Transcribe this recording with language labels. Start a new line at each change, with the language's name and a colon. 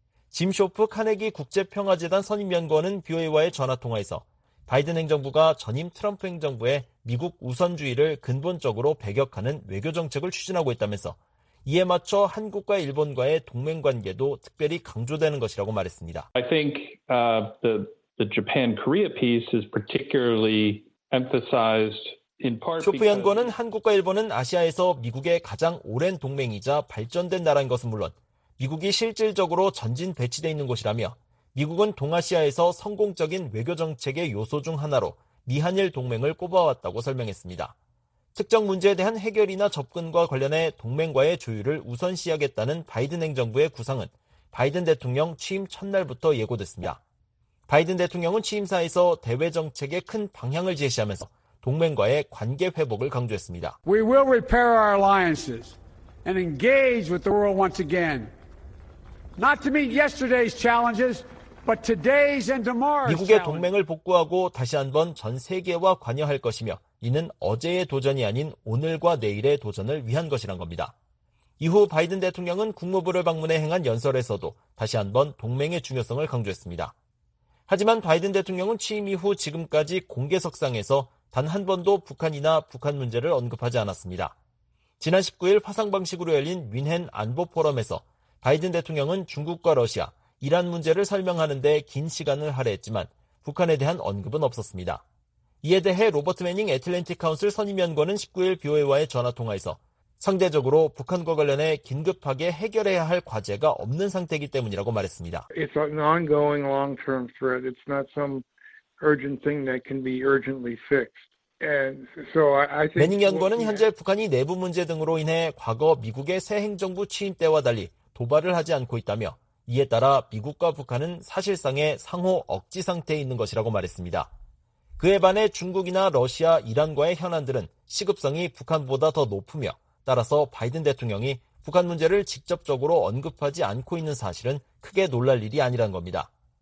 Korean: 짐 쇼프 카네기 국제평화재단 선임연구원은 BOA와의 전화통화에서 바이든 행정부가 전임 트럼프 행정부의 미국 우선주의를 근본적으로 배격하는 외교 정책을 추진하고 있다면서 이에 맞춰 한국과 일본과의 동맹 관계도 특별히 강조되는 것이라고 말했습니다.
English: I think the Japan-Korea piece is particularly emphasized in part.
Korean: 쇼프 연구원은 한국과 일본은 아시아에서 미국의 가장 오랜 동맹이자 발전된 나라인 것은 물론 미국이 실질적으로 전진 배치돼 있는 곳이라며. 미국은 동아시아에서 성공적인 외교 정책의 요소 중 하나로 미한일 동맹을 꼽아왔다고 설명했습니다. 특정 문제에 대한 해결이나 접근과 관련해 동맹과의 조율을 우선시하겠다는 바이든 행정부의 구상은 바이든 대통령 취임 첫날부터 예고됐습니다. 바이든 대통령은 취임사에서 대외 정책의 큰 방향을 제시하면서 동맹과의 관계 회복을 강조했습니다.
English: We will repair our alliances and engage with the world once again. Not to meet yesterday's challenges, but today's and tomorrow's challenges.
Korean: 미국의 동맹을 복구하고 다시 한번 전 세계와 관여할 것이며 이는 어제의 도전이 아닌 오늘과 내일의 도전을 위한 것이란 겁니다. 이후 바이든 대통령은 국무부를 방문해 행한 연설에서도 다시 한번 동맹의 중요성을 강조했습니다. 하지만 바이든 대통령은 취임 이후 지금까지 공개석상에서 단 한 번도 북한이나 북한 문제를 언급하지 않았습니다. 지난 19일 화상 방식으로 열린 윈헨 안보 포럼에서 바이든 대통령은 중국과 러시아, 이란 문제를 설명하는데 긴 시간을 할애했지만 북한에 대한 언급은 없었습니다. 이에 대해 로버트 매닝 애틀랜틱 카운슬 선임연구원은 19일 BOA와의 전화통화에서 상대적으로 북한과 관련해 긴급하게 해결해야 할 과제가 없는 상태이기 때문이라고 말했습니다.
English: It's an ongoing long-term threat. It's not some urgent thing that can be urgently fixed.
Korean: 매닝 연구원은 현재 북한이 내부 문제 등으로 인해 과거 미국의 새 행정부 취임 때와 달리 도발을 하지 않고 있다며 이에 따라 미국과 북한은 사실상의 상호 억지 상태에 있는 것이라고 말했습니다. 그에 반해 중국이나 러시아, 이란과의 현안들은 시급성이 북한보다 더 높으며 따라서 바이든 대통령이 북한 문제를 직접적으로 언급하지 않고 있는 사실은 크게 놀랄 일이 아니라는 겁니다.